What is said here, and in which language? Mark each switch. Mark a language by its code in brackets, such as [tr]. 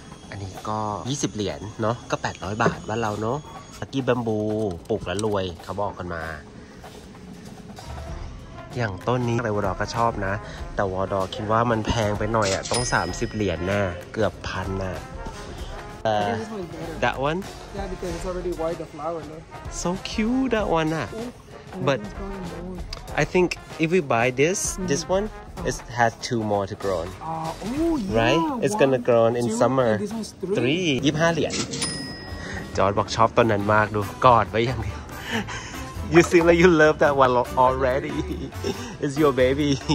[th] อันนี้ก็20เหรียญเนาะก็800บาทบ้านเราเนาะตะกี้บัมบูปลูกแล้วรวยเขาบอกกันมาอย่างต้นนี้อะไรวอดอก็ชอบนะแต่วอดอคิดว่ามันแพงไปหน่อยอ่ะต้อง30เหรียญแน่เกือบ 1,000 น่ะ that one [en] yeah because it's already white the flower no so cute that one ah but I think if we buy this this one it has two more to grow right it's gonna grow in summer three [th] 25เหรียญจอร์ดบอกชอบต้นนั้นมากดูกอดไว้อย่างเดียว You seem like you love that one already. It's your baby.